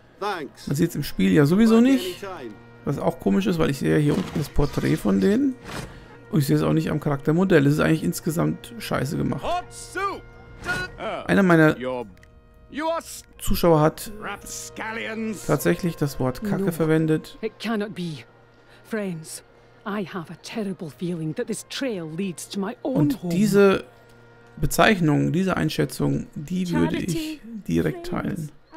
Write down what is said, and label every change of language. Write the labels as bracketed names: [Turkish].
[German] Man sieht es im Spiel ja sowieso nicht. Was auch komisch ist, weil ich sehe ja hier unten das Porträt von denen. Und ich sehe es auch nicht am Charaktermodell. Es ist eigentlich insgesamt scheiße gemacht. Einer meiner Zuschauer hat tatsächlich das Wort Kacke verwendet. [English] It cannot be. Friends, I have a terrible feeling that this trail leads to my own. [German] Und diese Bezeichnung, diese Einschätzung, die würde ich direkt teilen.